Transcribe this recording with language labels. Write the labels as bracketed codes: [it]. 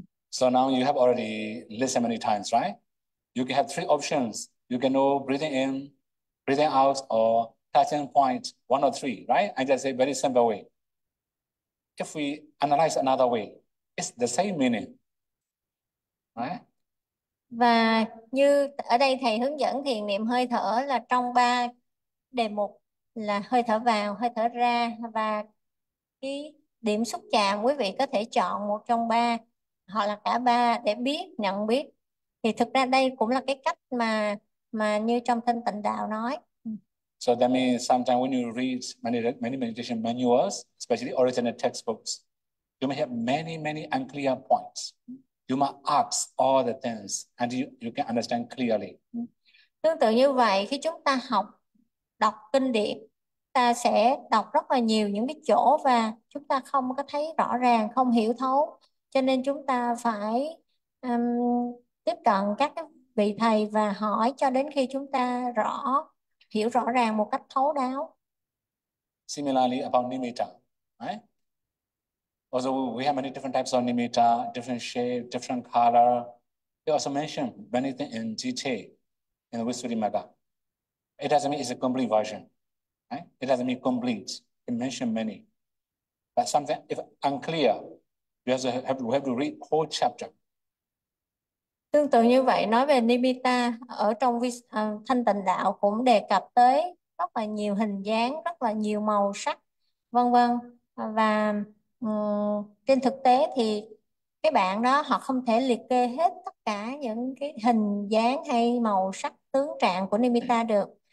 [en] So now you have already listened many times, right? You can have three options. You can know breathing in, breathing out, or touching point one or three, right? I just say very simple way. If we analyze another way, it's the same meaning, right? [vi] Và như ở đây thầy hướng dẫn thiền niệm hơi thở là trong ba đề mục là hơi thở vào, hơi thở ra và cái điểm xúc chạm, quý vị có thể chọn một trong ba hoặc là cả ba để biết, nhận biết. Thì thực ra đây cũng là cái cách mà như trong Thanh Tịnh Đạo nói. [en] So that means sometimes when you read many many meditation manuals, especially original textbooks, you may have many, many unclear points. You must ask all the things and you can understand clearly. [vi] Tương tự như vậy, khi chúng ta học đọc kinh điển, ta sẽ đọc rất là nhiều những cái chỗ và chúng ta không có thấy rõ ràng, không hiểu thấu, cho nên chúng ta phải tiếp cận các vị thầy và hỏi cho đến khi chúng ta rõ, hiểu rõ ràng một cách thấu đáo. [en] Similarly about nimitta, right? Also, we have many different types of nimitta, different shape, different color. They also mention many things in detail in the Visuddhimagga. It doesn't mean it's a complete version, right? It doesn't mean complete. It mentioned many. But something, if unclear, we have to read whole chapter. [vi] Tương tự như vậy, nói về Nimitta ở trong Thanh Tịnh Đạo cũng đề cập tới rất là nhiều hình dáng, rất là nhiều màu sắc, vân vân. Và trên thực tế thì cái bạn đó họ không thể liệt kê hết tất cả những cái hình dáng hay màu sắc tướng trạng của Nimitta được.